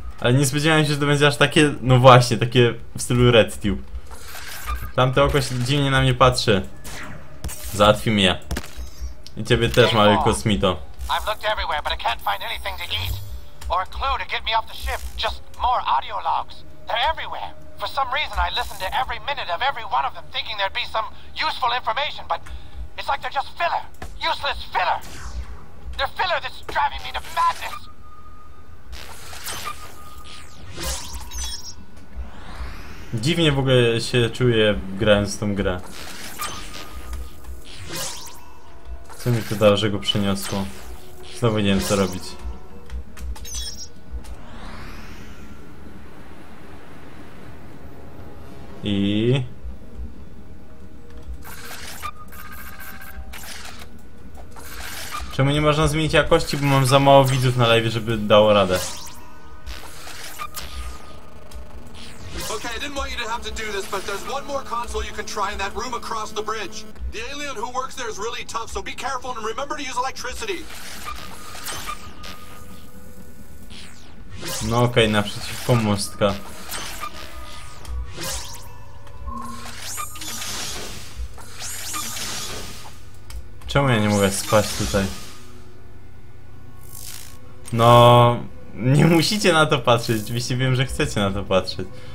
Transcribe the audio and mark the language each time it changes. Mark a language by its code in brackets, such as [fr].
[pl] Ale nie spodziewałem się, że to będzie aż takie, no właśnie, takie w stylu Red Tube. Tamte oko się dziwnie na mnie patrzy. Załatwi mnie. I ciebie też, mały kosmito. [en] I've looked everywhere, but I can't find anything to eat. Or a clue to get me off the ship. Just more audio logs. They're everywhere. For some reason, I listen to every minute of every one of them, thinking there'd be some useful information, but it's like they're just filler. Useless filler. They're filler that's driving me to madness. [pl] Dziwnie w ogóle się czuję, grając w tą grę. Co mi to dało, że go przeniosło? Znowu nie wiem co robić. I... Czemu nie można zmienić jakości, bo mam za mało widzów na live, żeby dało radę. [en] Okay, I didn't want you to have to do this, but there's one more console you can try in that room across the bridge. The alien who works there is really tough, so be careful and remember to use electricity. [pl] No okej, naprzeciwko mostka. Czemu ja nie mogę spać tutaj? No, nie musicie na to patrzeć, oczywiście wiem, że chcecie na to patrzeć.